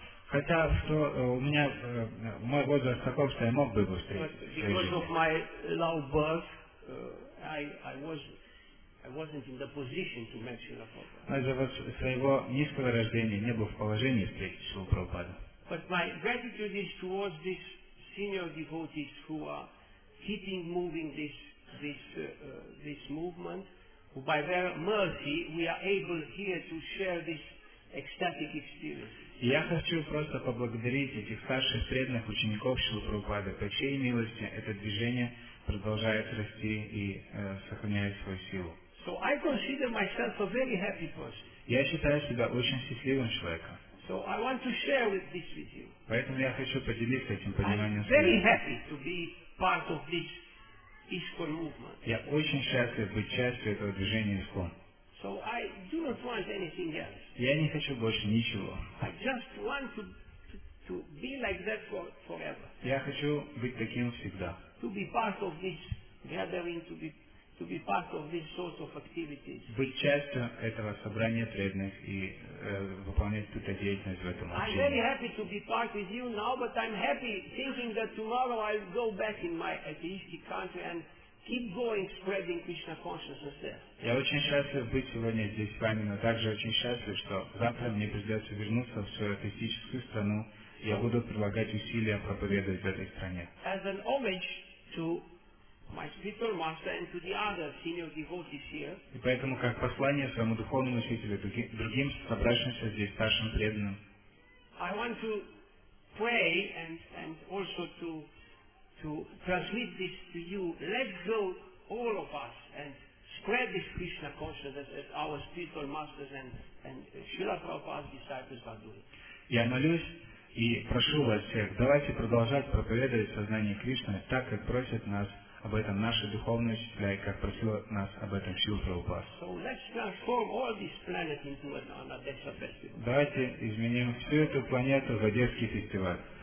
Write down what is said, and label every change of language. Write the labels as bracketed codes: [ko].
[ru] Хотя что у меня мой возраст таков, что я мог бы его встретить. [en] Because of my low birth, I wasn't in the position to meet Srila Prabhupada. [ru] Из-за вот своего низкого рождения не был в положении встретить Шрилу Прабхупаду. [en] But my gratitude is towards these senior devotees who are keeping moving this movement, who by their mercy we are able here to share this ecstatic experience. [ru] Я хочу просто поблагодарить этих старших преданных учеников Шрилы Прабхупады. По чьей милости это движение продолжает расти и сохраняет свою силу. [en] So I consider myself a very happy person. [ru] Я считаю себя очень счастливым человеком. [en] So I want to share with this with you. [ru] Поэтому я хочу поделиться этим пониманием с вами. [en] I'm very happy to be part of this ISKCON movement. [ru] Я очень счастлив быть частью этого движения ISKCON. [en] So I do not want anything else. [ru] Я не хочу больше ничего. [en] I just want to be like that forever. [ru] Я хочу быть таким всегда. [en] To be part of this gathering, to be part of this sort of activities. [ru] Быть частью этого собрания преданных и выполнять эту деятельность в этом учении. [en] I'm very happy to be part with you now, but I'm happy thinking that tomorrow I'll go back in my atheistic country and keep going spreading Krishna consciousness there. [ru] Я очень счастлив быть сегодня здесь с вами, но также очень счастлив, что завтра мне придется вернуться в свою атеистическую страну, и я буду прилагать усилия проповедовать в этой стране. [en] As an homage to my spiritual master and to the other senior devotees here. [ru] И поэтому как послание своему духовному учителю другим собравшимся здесь старшим преданным. [en] I want to pray and also to transmit this to you. Let go all of us and spread this Krishna consciousness as our spiritual masters and Srila Prabhupada's disciples are doing. [ru] Я молюсь и прошу вас всех, давайте продолжать проповедовать сознание Кришны так, как просят нас об этом наши духовные учителя и как просил нас об этом Шрила Прабхупада. [en] So let's transform all this planet into an Odessa festival. [ru] Давайте изменим всю эту планету в Одесский фестиваль.